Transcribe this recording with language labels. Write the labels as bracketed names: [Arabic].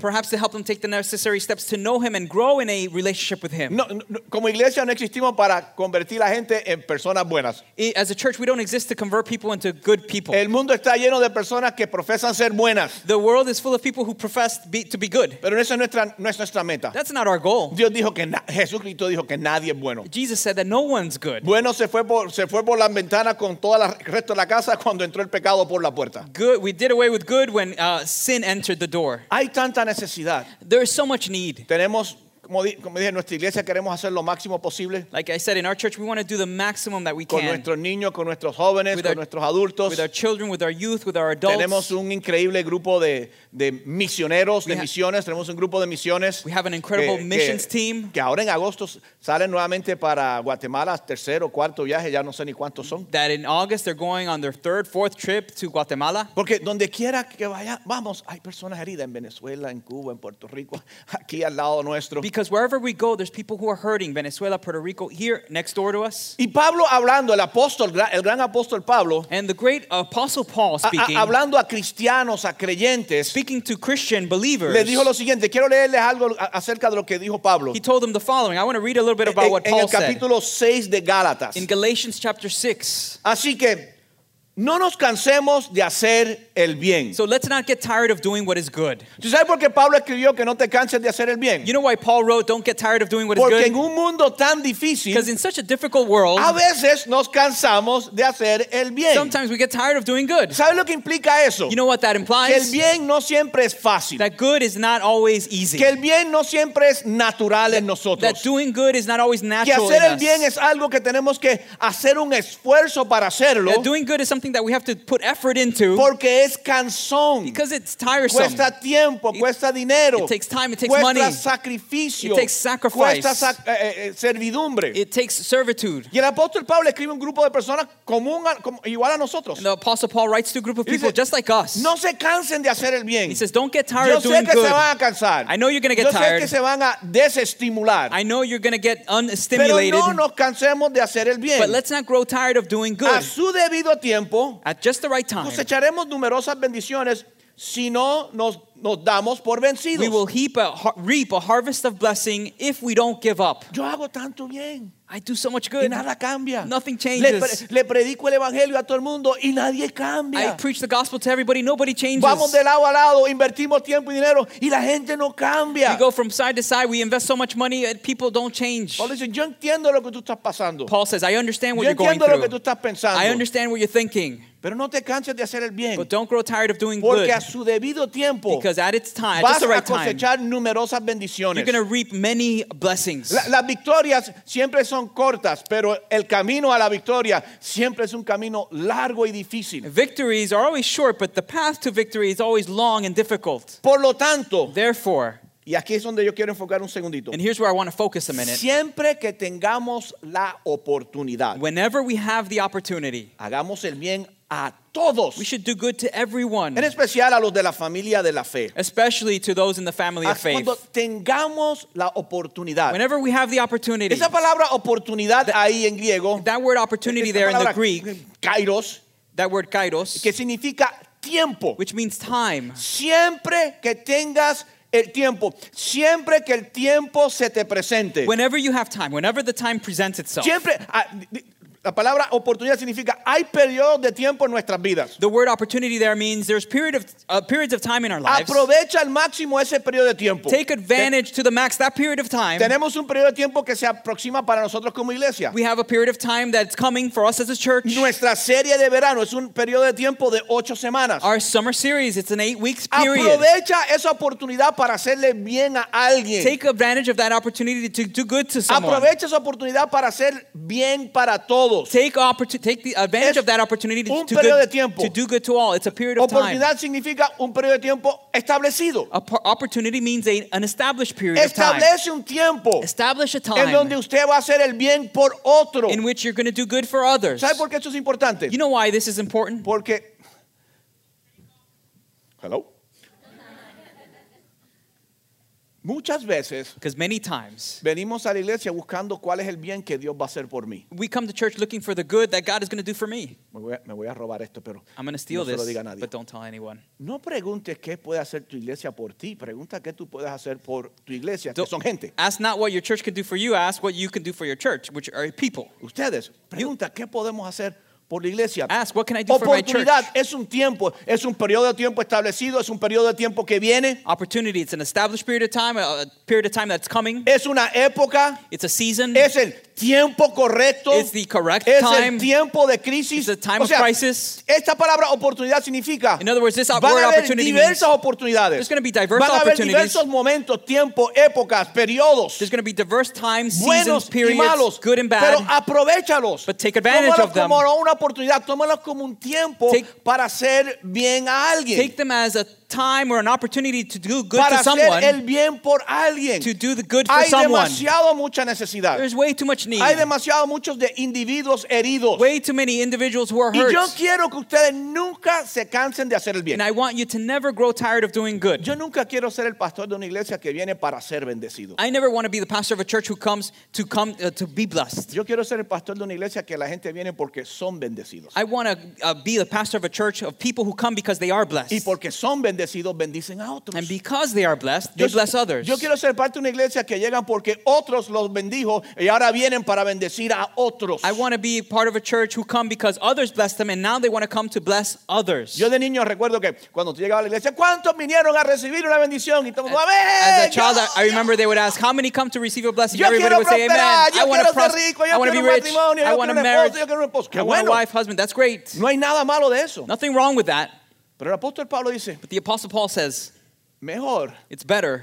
[English] Perhaps to help them take the necessary steps to know him and grow in a relationship with him. [Spanish] No, como iglesia no existimos para convertir a la gente en personas buenas. [English] As a church, we don't exist to convert people into good people. [Spanish] El mundo está lleno de personas que profesan ser buenas. [English] The world is full of people who profess to be good. [Spanish] Pero esa no es nuestra meta. [English] That's not our goal. [Spanish] Dios dijo que Jesucristo dijo que nadie es bueno. [English] Jesus said that no one's good. [Spanish] Bueno se fue por las ventanas con todo el resto de la casa cuando entró el pecado por la puerta. [English] Good, we did away with good when sin entered the door. [Spanish] Hay tanta necesidad. [English] There is so much need. [Spanish] Tenemos, como dije, en nuestra iglesia queremos hacer lo máximo posible. [English] Like I said, in our church we want to do the maximum that we can. [Spanish] Con nuestros niños, con nuestros jóvenes, con nuestros adultos. [English] With our children, with our youth, with our adults. [Spanish] Tenemos un increíble grupo de misioneros, de misiones. Tenemos un grupo de misiones. [English] We have an incredible missions team. [Spanish] Que ahora en agosto salen nuevamente para Guatemala, tercero, cuarto viaje, ya no sé ni cuántos son. [English] That in August they're going on their third, fourth trip to Guatemala. [Spanish] Porque donde quiera que vaya, vamos, hay personas heridas en Venezuela, en Cuba, en Puerto Rico, aquí al lado nuestro. [English] Because wherever we go, there's people who are hurting. Venezuela, Puerto Rico, here, next door to us. [Spanish] Y Pablo hablando, el apóstol, el gran apóstol Pablo. [English] And the great apostle Paul speaking. [Spanish] Hablando a cristianos, a creyentes. [English] Speaking to Christian believers. [Spanish] Le dijo lo siguiente, quiero leerles algo acerca de lo que dijo Pablo. [English] He told them the following. I want to read a little bit about what Paul said. [Spanish] En el capítulo 6 de Gálatas. [English] In Galatians chapter 6. [Spanish] Así que, no nos cansemos de hacer el bien. [English] So let's not get tired of doing what is good. [Spanish] ¿Tú sabes por qué Pablo escribió que no te canses de hacer el bien? [English] You know why Paul wrote, don't get tired of doing what [Spanish] Porque [English] is good? [Spanish] Porque en un mundo tan difícil, [English] because in such a difficult world, [Spanish] a veces nos cansamos de hacer el bien. [English] Sometimes we get tired of doing good. [Spanish] ¿Sabes lo que implica eso? [English] You know what that implies? [Spanish] Que el bien no siempre es fácil. [English] That good is not always easy. [Spanish] Que el bien no siempre es natural en nosotros. [English] That doing good is not always natural in us. [Spanish] Que hacer el bien es algo que tenemos que hacer un esfuerzo para hacerlo. [English] That doing good is something that we have to put effort into. [Spanish] Porque es cansón. [English] Because it's tiresome. [Spanish] Cuesta tiempo, cuesta dinero. [English] It takes time, it takes [Spanish] cuesta [English] money. [Spanish] Cuesta sacrificio. [English] It takes sacrifice. [Spanish] Cuesta servidumbre. [English] It takes servitude. [Spanish] Y el apóstol Pablo escribe un grupo de personas común igual a nosotros. [English] And the apostle Paul writes to a group of people [Spanish] dice, [English] just like us. [Spanish] No se cansen de hacer el bien. [English] He says, don't get tired [Spanish] Yo [English] of doing [Spanish] que [English] good. [Spanish] Se van a cansar. [English] I know you're going to get [Spanish] Yo sé [English] tired. [Spanish] Que se van a desestimular. [English] I know you're going to get unstimulated. [Spanish] Pero no nos cansemos de hacer el bien. [English] But let's not grow tired of doing good. [Spanish] A su debido tiempo. [English] At just the right time, [Spanish] cosecharemos numerosas bendiciones si no nos damos por vencidos. [English] We will reap a harvest of blessing if we don't give up. [Spanish] Yo hago tanto bien. [English] I do so much good. [Spanish] Y nada cambia. [English] Nothing changes. [Spanish] Le predico el evangelio a todo el mundo y nadie cambia. [English] I preach the gospel to everybody. Nobody changes. [Spanish] Vamos de lado a lado, invertimos tiempo y dinero y la gente no cambia. [English] We go from side to side. We invest so much money and people don't change. Paul says, [Spanish] "Yo entiendo lo que tú estás pasando." [English] Paul says, "I understand what [Spanish] Yo [English] you're going through." [Spanish] Yo entiendo lo que tú estás pensando. [English] I understand what you're thinking. [Spanish] Pero no te canses de hacer el bien. [English] But don't grow tired of doing [Spanish] Porque [English] good. [Spanish] Porque a su debido tiempo, [English] because at its time, at just the right time, [Spanish] vas a cosechar numerosas bendiciones. [English] You're going to reap many blessings. [Spanish] Las victorias siempre son cortas, pero el camino a la victoria siempre es un camino largo y difícil. [English] Victories are always short, but the path to victory is always long and difficult. [Spanish] Por lo tanto, [English] therefore, [Spanish] y aquí es donde yo quiero enfocar un segundito. [English] And here's where I want to focus a minute. [Spanish] Siempre que tengamos la oportunidad, [English] whenever we have the opportunity, [Spanish] hagamos el bien a todos. [English] We should do good to everyone. [Spanish] En especial a los de la familia de la fe. [English] Especially to those in the family of faith. [Spanish] Cuando tengamos la oportunidad. [English] Whenever we have the opportunity. [Spanish] Esa palabra oportunidad ahí en griego. [English] That word opportunity there in the Greek. [Spanish] Kairos. [English] That word kairos. [Spanish] Que significa tiempo. [English] Which means time. [Spanish] Siempre que tengas el tiempo, siempre que el tiempo se te presente. [English] Whenever you have time, whenever the time presents itself. [Spanish] Siempre. La palabra oportunidad significa hay periodos de tiempo en nuestras vidas. [English] The word opportunity there means there's periods of time in our lives. [Spanish] Aprovecha al máximo ese periodo de tiempo. [English] Take advantage to the max that period of time. [Spanish] Tenemos un periodo de tiempo que se aproxima para nosotros como iglesia. [English] We have a period of time that's coming for us as a church. [Spanish] Nuestra serie de verano es un periodo de tiempo de 8 semanas. [English] Our summer series, it's an 8 weeks period. [Spanish] Aprovecha esa oportunidad para hacerle bien a alguien. [English] Take advantage of that opportunity to do good to someone. [Spanish] Aprovecha esa oportunidad para hacer bien para todos. [English] Take the advantage of that opportunity to do good to all. It's a period of time. [Spanish] Oportunidad significa un periodo de tiempo establecido. [English] Opportunity means an established period [Spanish] Establece [English] of time. [Spanish] Un tiempo [English] Establish a time [Spanish] en donde usted va a hacer el bien por otro. [English] In which you're going to do good for others. [Spanish] ¿Sabe por qué esto es importante? [English] You know why this is important? [Spanish] Porque [English] Hello? [Spanish] Muchas veces, [English] because many times, [Spanish] venimos a la iglesia buscando cuál es el bien que Dios va a hacer por mí. [English] We come to church looking for the good that God is going to do for me. [Spanish] Me voy a robar esto, pero [English] I'm going to steal [Spanish] no [English] this, [Spanish] se lo diga a nadie. [English] But don't tell anyone. [Spanish] No preguntes qué puede hacer tu iglesia por ti. Pregunta qué tú puedes hacer por tu iglesia, que son gente. [English] Ask not what your church can do for you. Ask what you can do for your church, which are people. [Spanish] Ustedes, pregunta qué podemos hacer. Por la iglesia. [English] Ask, what can I do for my church? [Spanish] Oportunidad es un tiempo, es un periodo de tiempo establecido, es un periodo de tiempo que viene. [English] Opportunity, it's an established period of time, a period of time that's coming. [Spanish] Es una época. [English] It's a season. [Spanish] Es el tiempo correcto. [English] It's the correct [Spanish] es [English] time. [Spanish] Es el tiempo de crisis. [English] It's the time [Spanish] o sea, [English] of crisis. [Spanish] Esta palabra oportunidad significa. [English] In other words, this [Spanish] van [English] word [Spanish] a haber [English] opportunity [Spanish] diversas [English] means, [Spanish] oportunidades. [English] There's going to be diverse [Spanish] van [English] opportunities. [Spanish] Van a haber diversos momentos, tiempo, épocas, periodos. [English] There's going to be diverse times, [Spanish] buenos [English] seasons, periods, [Spanish] y malos, [English] good and bad. [Spanish] Pero aprovéchalos. [English] But take advantage of them. [Spanish] Una oportunidad, tómalas como un tiempo para hacer bien a alguien. [English] Take them as a time or an opportunity to do good to someone, [Spanish] el bien por alguien, [English] to do the good [Spanish] hay [English] for someone, [Spanish] demasiado mucha necesidad. [English] There's way too much need. [Spanish] Hay demasiado muchos de individuos heridos. [English] Way too many individuals who are hurt. [Spanish] Y yo quiero que ustedes nunca se cansen de hacer el bien. [English] And I want you to never grow tired of doing good. [Spanish] Yo nunca quiero ser el pastor de una iglesia que viene para ser bendecido. [English] I never want to be the pastor of a church who comes to come to be blessed. [Spanish] Yo quiero ser el pastor de una iglesia que la gente viene porque son bendecidos. [English] I want to be the pastor of a church of people who come because they are blessed. [Spanish] Y porque son bendecidos, bendicen a otros. [English] And because they are blessed, they bless others. [Spanish] Yo quiero ser parte de una iglesia que llegan porque otros los bendijo y ahora vienen para bendecir a otros. [English] I want to be part of a church who come because others bless them and now they want to come to bless others. [Spanish] Yo de niño recuerdo que cuando tú llegabas a la iglesia, ¿cuántos vinieron a recibir una bendición? Y todos, amén. [English] As a child, I remember they would ask, how many come to receive a blessing? [Spanish] Yo [English] everybody would [Spanish] prosperar. [English] Say, amen. [Spanish] Yo [English] I want to [Spanish] ser rico. Yo [English] I want to be rich. I want a marriage. [Spanish] Esposo. [English] I want a wife, husband. That's great. [Spanish] No hay nada malo de eso. [English] Nothing wrong with that. [Spanish] Pero el apóstol Pablo dice, [English] but the apostle Paul says, [Spanish] mejor, [English] it's better.